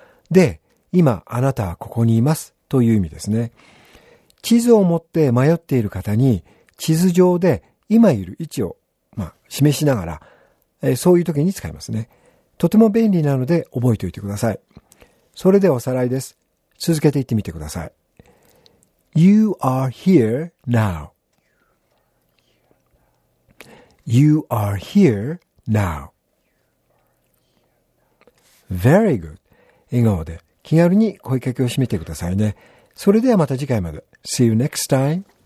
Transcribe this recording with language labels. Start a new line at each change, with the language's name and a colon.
Japanese: で、今あなたはここにいますという意味ですね。地図を持って迷っている方に地図上で今いる位置を、示しながら、そういう時に使いますね。とても便利なので覚えておいてください。それでおさらいです。続けて言ってみてください。
English: You are here now.You are here now.Very good.
Japanese: 笑顔で気軽に声かけをしてみてくださいね。それではまた次回まで。
English: See you next time.